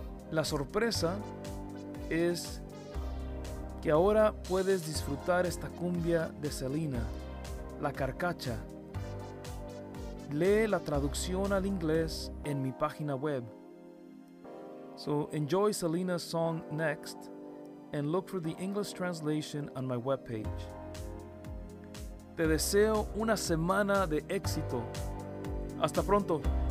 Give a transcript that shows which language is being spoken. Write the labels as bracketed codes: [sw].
[es] La sorpresa es que ahora puedes disfrutar esta cumbia de Selena, La Carcacha. Lee la traducción al inglés en mi página web. [en] So enjoy Selena's song next and look for the English translation on my webpage. [es] Te deseo una semana de éxito. Hasta pronto.